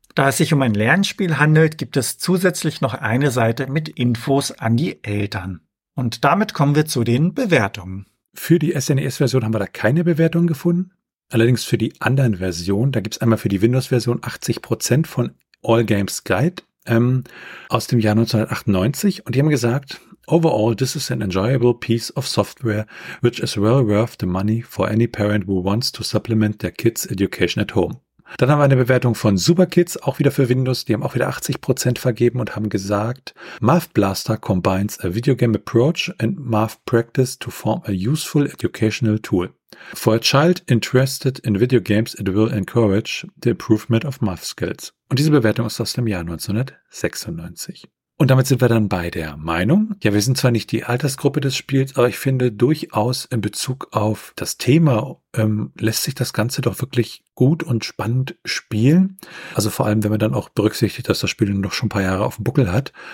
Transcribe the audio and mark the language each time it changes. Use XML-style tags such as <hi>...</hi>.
<de>Da es sich um ein Lernspiel handelt, gibt es zusätzlich noch eine Seite mit Infos an die Eltern. Und damit kommen wir zu den Bewertungen. Für die SNES-Version haben wir da keine Bewertung gefunden. Allerdings für die anderen Versionen, da gibt es einmal für die Windows-Version 80% von All Games Guide aus dem Jahr 1998. Und die haben gesagt,</de> <en>overall, this is an enjoyable piece of software, which is well worth the money for any parent who wants to supplement their kids' education at home.</en> <de>Dann haben wir eine Bewertung von Superkids, auch wieder für Windows. Die haben auch wieder 80% vergeben und haben gesagt,</de> <en>Math Blaster combines a video game approach and math practice to form a useful educational tool. For a child interested in video games, it will encourage the improvement of math skills.</en> <de>Und diese Bewertung ist aus dem Jahr 1996. Und damit sind wir dann bei der Meinung. Ja, wir sind zwar nicht die Altersgruppe des Spiels, aber ich finde durchaus in Bezug auf das Thema lässt sich das Ganze doch wirklich gut und spannend spielen. Also vor allem, wenn man dann auch berücksichtigt, dass das Spiel noch schon ein paar Jahre auf dem Buckel hat.</de>